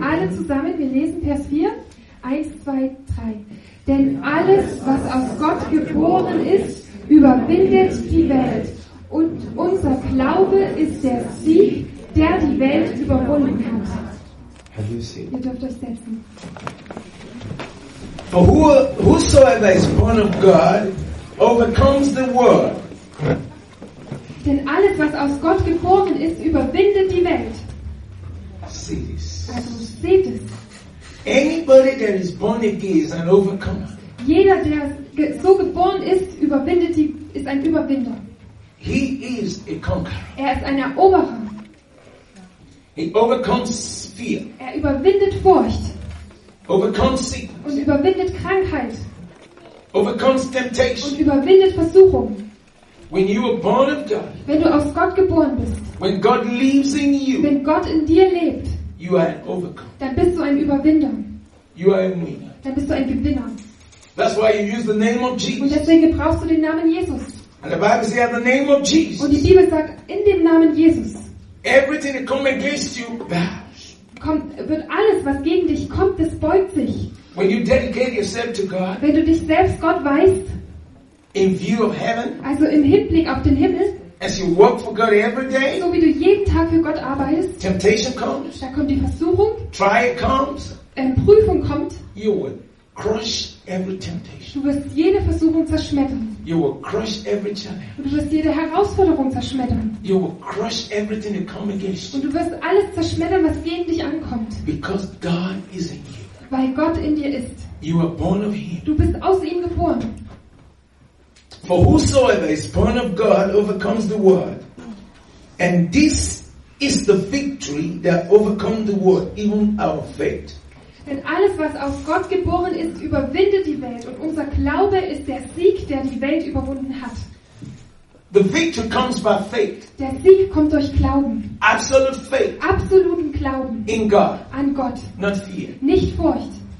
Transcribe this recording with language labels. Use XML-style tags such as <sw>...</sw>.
<de>Alle zusammen, wir lesen Vers 4, 1, 2, 3. Denn alles, was aus Gott geboren ist, überwindet die Welt. Und unser Glaube ist der Sieg, der die Welt überwunden hat. Ihr dürft euch setzen.</de> <en>For whosoever is born of God overcomes the world.</en> <de>Denn alles, was aus Gott geboren ist, überwindet die Welt. Also seht es.</de> <en>Anybody that is born again is an overcomer.</en> <de>Jeder, der so geboren ist, überwindet die, ist ein Überwinder.</de> <en>He is a conqueror.</en> <de>Er ist ein Eroberer.</de> <en>He overcomes fear.</en> <de>Er überwindet Furcht.</de> <en>Overcomes sickness.</en> <de>Und überwindet Krankheit.</de> <en>Overcomes temptation.</en> <de>Und überwindet Versuchung.</de> <en>When you are born of God,</en> <de>wenn du aus Gott geboren bist,</de> <en>when God lives in you,</en> <de>wenn Gott in dir lebt,</de> <en>you are an overcomer.</en> <de>Dann bist du ein Überwinder.</de> <en>You are a winner.</en> <de>dann bist du ein Gewinner.</de> <en>That's why you use the name of Jesus.</en> <de>Und deswegen brauchst du den Namen Jesus.</de> <en>And the Bible says, in the name of Jesus.</en> <de>Und die Bibel sagt, in dem Namen Jesus.</de> <en>Everything that comes against you,</en> <de>wird alles, was gegen dich kommt, das beugt sich.</de> <en>When you dedicate yourself to God,</en> <de>wenn du dich selbst Gott weißt,</de> <en>in view of heaven,</en> <de>also im Hinblick auf den Himmel,</de> <en>as you work for God every day,</en> <de>so wie du jeden Tag für Gott arbeitest,</de> <en>temptation comes,</en> <de>da kommt die Versuchung,</de> <en>trial comes,</en> <de>Prüfung kommt,</de> <en>you will crush every temptation.</en> <de>Du wirst jede Versuchung zerschmettern.</de> <en>You will crush every challenge.</en> <de>Und du wirst jede Herausforderung zerschmettern.</de> <en>You will crush everything that comes against you.</en> <de>Und du wirst alles zerschmettern, was gegen dich ankommt.</de> <en>Because God is in you.</en> <de>Weil Gott in dir ist.</de> <en>You are born of him.</en> <de>Du bist aus ihm geboren.</de> <en>For whosoever is born of God overcomes the world. And this is the victory that overcomes the world, even our faith.</en> <de>Denn alles, was aus Gott geboren ist, überwindet die Welt. Und unser Glaube ist der Sieg, der die Welt überwunden hat.</de> <en>The victory comes by faith.</en> <de>Der Sieg kommt durch Glauben.</de> <en>Absolute faith.</en> <de>Absoluten Glauben.</de> <en>In God.</en> <de>An Gott.</de> <en>Not fear.</en> <de>Nicht Furcht.</de>